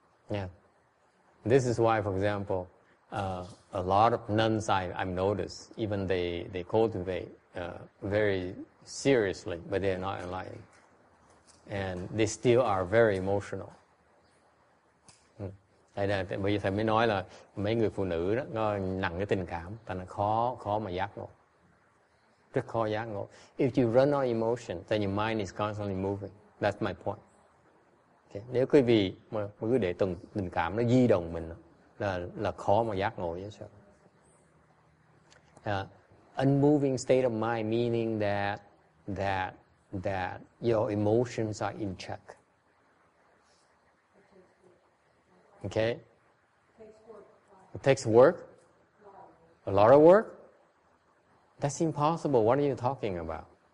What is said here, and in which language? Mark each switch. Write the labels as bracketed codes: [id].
[en] Yeah. This is why, for example, a lot of nuns I've noticed, even they cultivate very seriously, but they are not enlightened. And they still are very emotional. [vi] Đây là bây giờ thầy mới nói là mấy người phụ nữ đó nó nặng cái tình cảm, tại nó khó mà giác ngộ, rất khó giác ngộ. [en] If you run on emotion, then your mind is constantly moving. That's my point. Okay. [vi] Nếu quý vị mà cứ để từng tình cảm nó di động mình là khó mà giác ngộ chứ sao? [en] Unmoving state of mind meaning that your emotions are in check. Okay. It takes work? A lot of work? That's impossible. What are you talking about?